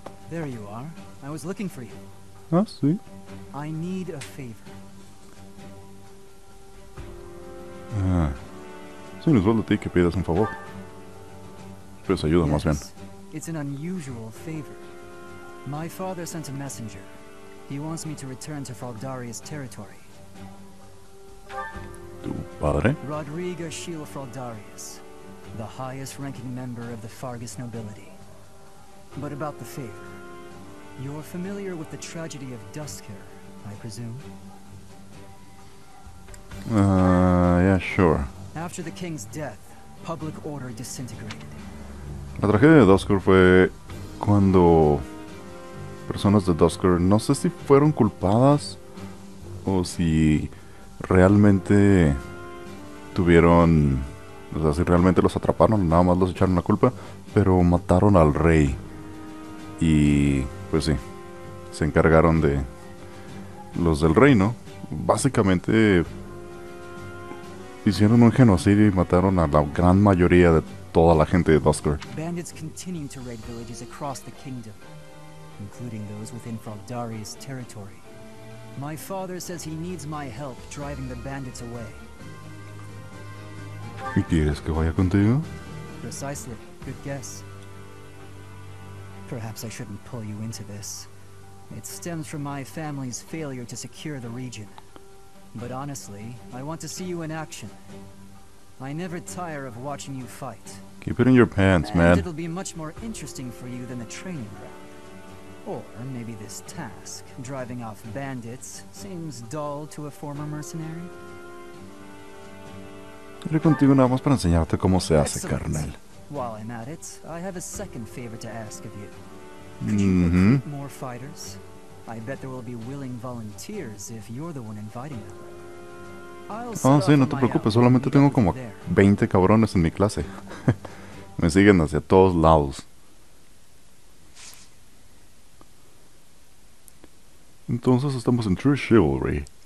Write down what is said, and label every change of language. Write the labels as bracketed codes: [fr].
[en] There you are. I was looking for you. [es] Ah, sí. [en] I need a favor. [es] Sí, no es solo de ti que pidas un favor. Pues ayuda, [en] yes, [es] más bien. [en] It's an unusual favor. My father sent a messenger. He wants me to return to Fraldarius territory. [es] ¿Tu padre? [en] Rodrigo Shiel Fraldarius, the highest ranking member of the Fargus nobility. But about the favor. You're familiar with the tragedy of Duskir, I presume? Yeah, sure. After the king's death, public order disintegrated. [es] La tragedia de Duskir fue cuando personas de Duskir, no sé si fueron culpadas o si realmente tuvieron, o sea, si realmente los atraparon, nada más los echaron la culpa, pero mataron al rey. Y pues sí, se encargaron de los del reino. Básicamente hicieron un genocidio y mataron a la gran mayoría de toda la gente de Duskir. [en] Bandits continue to raid villages across the kingdom, including those within Fraldarius territory. My father says he needs my help driving the bandits away. [es] ¿Y quieres que vaya contigo? [en] Precisely. Good guess. Perhaps I shouldn't pull you into this. It stems from my family's failure to secure the region. But honestly, I want to see you in action. I never tire of watching you fight. Keep it in your pants, and man. And it'll be much more interesting for you than the training ground. Or maybe this task, driving off bandits, seems dull to a former mercenary. [es] Iré contigo nada más para enseñarte cómo se hace, carnal. [en] While I'm at it, I have a second favor to ask of you. Mm-hmm. Could you more fighters? I bet there will be willing volunteers if you're the one inviting them. [es] Ah, sí, no te preocupes, solamente tengo como 20 cabrones en mi clase. Me siguen hacia todos lados. Entonces estamos en True Chivalry.